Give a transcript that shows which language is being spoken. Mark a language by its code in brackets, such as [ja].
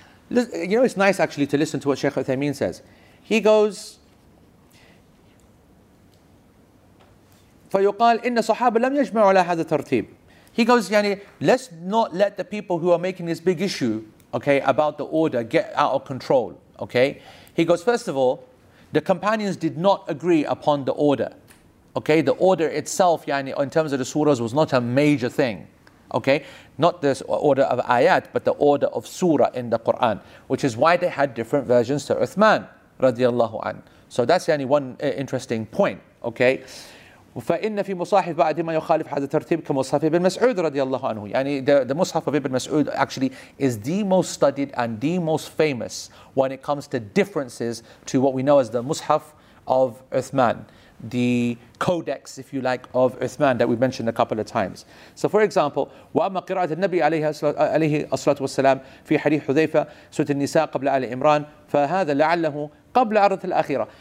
[en] You know, it's nice actually to listen to what Sheikh Uthaymeen says. He goes, [ar] فيقال إن الصحابة لم يجمعوا على هذا الترتيب. [en] He goes, يعني, let's not let the people who are making this big issue, okay, about the order get out of control, okay? He goes, first of all, the companions did not agree upon the order. Okay, the order itself, يعني, in terms of the surahs, was not a major thing. Okay, not this order of ayat, but the order of surah in the Quran, which is why they had different versions to Uthman radiallahu an. So that's يعني, one interesting point. [ar] Okay, فإن في مصاحف بعد ما يخالف هذا الترتيب كمصحف ابن مسعود رضي الله عنه. [en] يعني the مصحف of ابن مسعود actually is the most studied and the most famous when it comes to differences to what we know as the مصحف of Uthman. The codex, if you like, of Uthman that we mentioned a couple of times. So for example, [ar] وَأَمَّا قِرَاءَةُ النَّبِيِّ عَلَيْهِ الصَّلَاةُ وَالسَّلَامُ فِي حَدِيثِ حُذَيْفَةَ سُورَةُ النِّسَاءِ قَبْلَ آلِ عِمْرَانَ فَهَذَا لَعَلَّهُ قَبْلَ عَرَضِ الْآخِرَةِ.